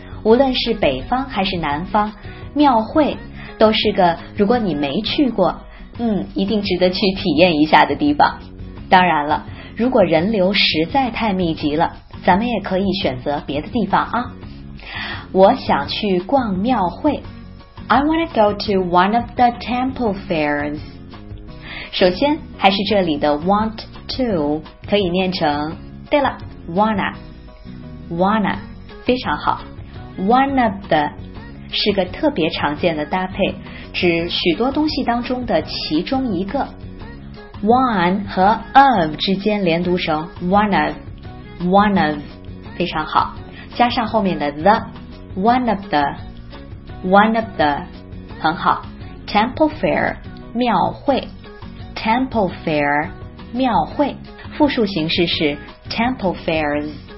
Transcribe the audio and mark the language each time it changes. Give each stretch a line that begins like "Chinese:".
Chinese: 无论是北方还是南方，庙会都是个如果你没去过，一定值得去体验一下的地方。当然了，如果人流实在太密集了，咱们也可以选择别的地方啊。我想去逛庙会。
English: I want to go to one of the temple fairs.
Chinese: 首先还是这里的 want to 可以念成，对了， wanna 非常好。 one of the 是个特别常见的搭配，指许多东西当中的其中一个。 one 和 of 之间连读成 one of 非常好，加上后面的 the， one of the 很好。 temple fair 庙会， temple fair 庙会，复数形式是 temple fairs。